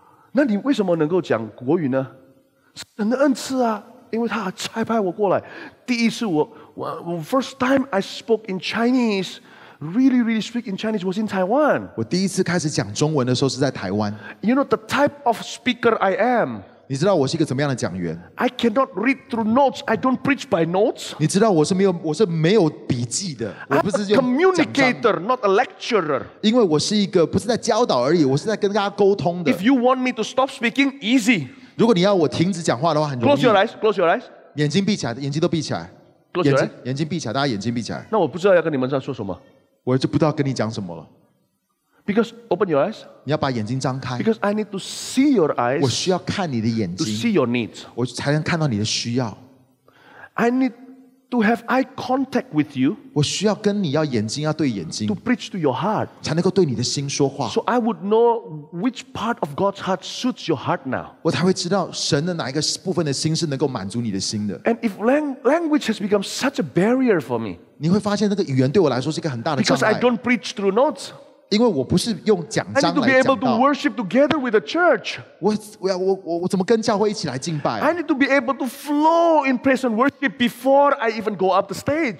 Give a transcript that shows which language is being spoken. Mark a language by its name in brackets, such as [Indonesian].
[Chinese] 那你为什么能够讲国语呢？神的恩赐啊，因为他差派我过来。第一次我 [English] first time I spoke in Chinese。 Really speak in Chinese was in Taiwan. [Chinese] 我第一次开始讲中文的时候是在台湾。 [English] You know the type of speaker I am. [Chinese] 你知道我是一个怎么样的讲员 [English] ？I cannot read through notes. I don't preach by notes. [Chinese] 你知道我是没有笔记的。我不是用 [English] communicator, not a lecturer. [Chinese] 因为我是一个不是在教导而已，我是在跟大家沟通的。 [English] If you want me to stop speaking, easy. [Chinese] 如果你要我停止讲话的话，很容易。 [English] Close your eyes. Close your eyes. [Chinese] 眼睛闭起来，眼睛都闭起来。 [English] Close your eyes. [Chinese] 眼睛闭起来，大家眼睛闭起来。那我不知道要跟你们在说什么。我就不知道跟你讲什么了。 [English] Because open your eyes， [Chinese] 你要把眼睛张开。 [English] Because I need to see your eyes， [Chinese] 我需要看你的眼睛。 [English] To see your needs， [Chinese] 我才能看到你的需要。 [English] I need to have eye contact with you， [Chinese] 我需要跟你要眼睛要对眼睛。 [English] To preach to your heart， [Chinese] 才能够对你的心说话。 [English] So I would know which part of God's heart suits your heart now， [Chinese] 我才会知道神的哪一个部分的心是能够满足你的心的。 [English] And if language has become such a barrier for me。 [Chinese] 你会发现那个语言对我来说是一个很大的障碍。 [English] Because I don't preach through notes， I need to be able to worship together with the church. I need to be able to flow in praise and worship before I even go up the stage.